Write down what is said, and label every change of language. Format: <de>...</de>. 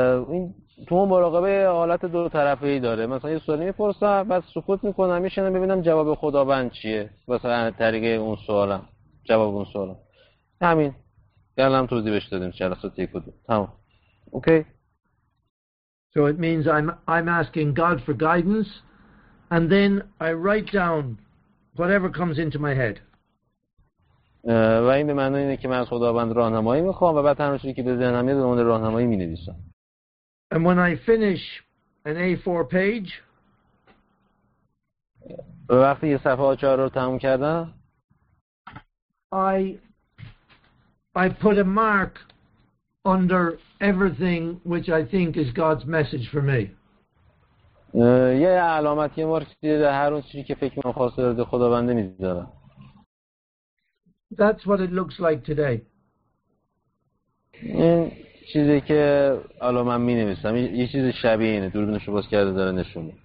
<fa>این تو مراقبه حالت دو طرفه ای داره, مثلا یه سوالی میپرسم بس سکوت میکنم میشنم ببینم جواب خداوند چیه, مثلا طریق اون سوالم جواب اون سوال همین گلم توضیح بهش دادیم جلسات یک بود تمام. اوکی,</fa> <en>so it means I'm asking God for guidance and then I write down whatever comes into my head.</en> <fa>و این به معنی اینه که من از خداوند راهنمایی میخوام و بعد هر چیزی که به ذهنم میاد اون راهنمایی مینویسم.</fa> <en>And when I finish an A4 page,</en> <fa>وقتی یه صفحه A4 رو تموم کردم,</fa> <en>I put a mark under everything which I think is God's message for me.</en> <fa>یه علامتی مارکی در هر اون چیزی که فکر می‌کنم خواسته از خداوند می‌ذارم.</fa> <en>That's what it looks like today.</en> <fa>این چیزی که الان من می‌نویسم یه چیز شبیه اینه, دوربینش رو باز کرده داره نشون میده.</fa>